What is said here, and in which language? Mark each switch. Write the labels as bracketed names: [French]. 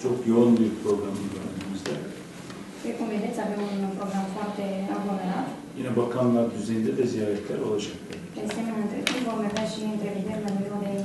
[Romanian] Eu am un program foarte important. Pe cum vedeți, avem un program foarte aglomerat. [Turkish] Yine bakanlar düzeyinde de ziyaretler olacak. [Romanian] De asemenea, între timp vom avea și întrevederi la nivel de